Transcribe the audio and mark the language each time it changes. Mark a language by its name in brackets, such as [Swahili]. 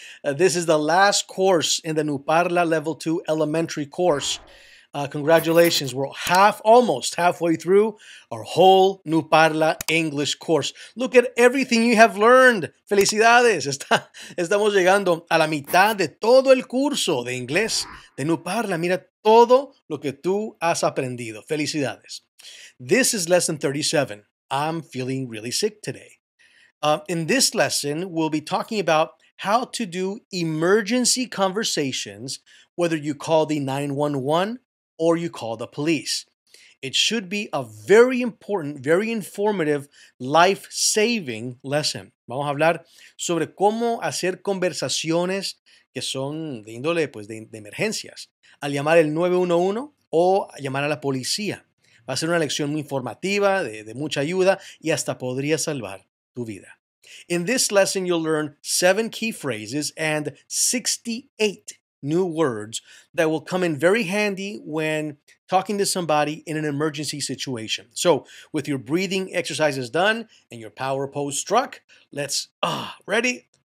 [English] This is the last course in the NuParla Level 2 elementary course. Congratulations. We're almost halfway through our whole NuParla English course. Look at everything you have learned. Felicidades. [Spanish] Estamos llegando a la mitad de todo el curso de inglés de NuParla. Mira todo lo que tú has aprendido. Felicidades. [English] This is lesson 37. I'm feeling really sick today. In this lesson, we'll be talking about how to do emergency conversations, whether you call the 911 or you call the police. It should be a very important, very informative, life-saving lesson. [Spanish] Vamos a hablar sobre cómo hacer conversaciones que son de índole pues, de emergencias, al llamar el 911 o a llamar a la policía. Va a ser una lección muy informativa, de mucha ayuda, y hasta podría salvar tu vida. [English] In this lesson, you'll learn 7 key phrases and 68 new words that will come in very handy when talking to somebody in an emergency situation. So, with your breathing exercises done and your power pose struck, let's, ready?